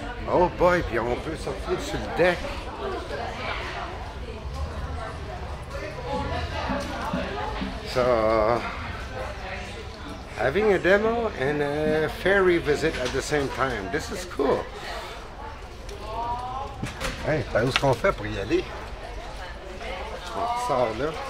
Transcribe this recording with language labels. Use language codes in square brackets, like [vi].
[en] Oh boy, [fr] puis on peut sortir sur le deck. [en] So, having a demo and a ferry visit at the same time. This is cool. [fr] Hey, ben où est-ce qu'on fait pour y aller? On sort là.